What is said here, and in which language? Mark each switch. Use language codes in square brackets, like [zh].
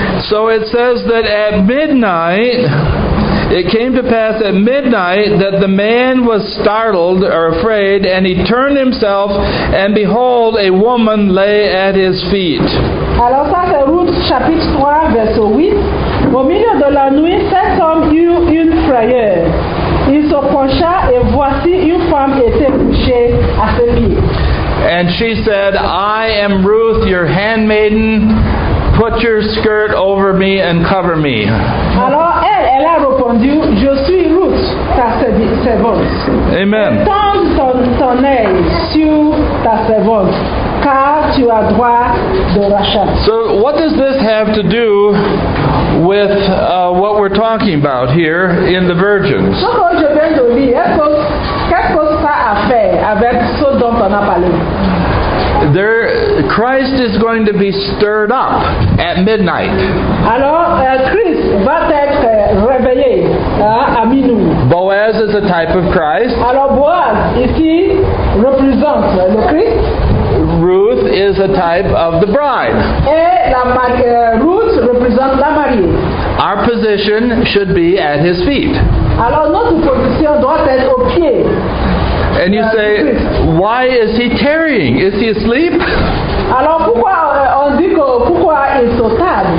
[en] So it says that at midnight, it came to pass at midnight that the man was startled or afraid, and he turned himself, and behold, a woman lay at his feet. [fr] Alors ça c'est Ruth chapitre 3 verset 8. Au milieu de la nuit, cet homme eut une frayeur. Il se pencha et voici une femme était couchée à ses pieds. [en] And she said, I am Ruth, your handmaiden. Put your skirt over me and cover me. [fr] Alors elle a répondu, je suis Ruth, ta servante. [en] Amen. [fr] Tends ton œil sur ta servante, car tu as droit de rachat. [en] So what does this have to do with what we're talking about here in the virgins? [fr] Ce que je viens de lire, qu'est-ce que ça a fait avec ce dont on a parlé? [en] There, Christ is going to be stirred up at midnight. [fr] Alors, Christ va être réveillé à minuit. [en] Boaz is a type of Christ. [fr] Alors, Boaz ici représente le Christ. [en] Ruth is a type of the bride. [fr] Et la Ruth représente la mariée. [en] Our position should be at his feet. [fr] Alors, notre position doit être au pied. [en] And you say, why is he tarrying? Is he asleep? [fr] Alors pourquoi on dit que pourquoi il se tarde?